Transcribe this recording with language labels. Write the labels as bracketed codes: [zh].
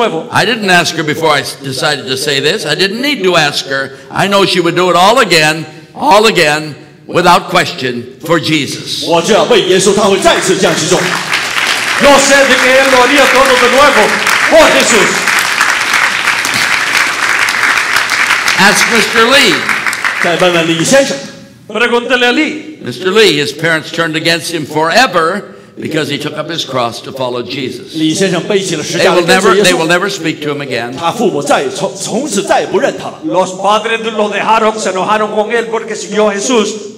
[en] I didn't ask her before I decided to say this. I didn't need to ask her. I know she would do it all again, without question, for Jesus. [es] Yo sé de que él lo haría todo de nuevo por Jesús. [en] Ask Mr. Lee. [es] Pregúntele a Lee. [en] Mr. Lee, his parents turned against him forever because he took up his cross to follow Jesus. They will never speak to him again. [es] Los padres lo dejaron, se enojaron con él porque siguió a Jesús.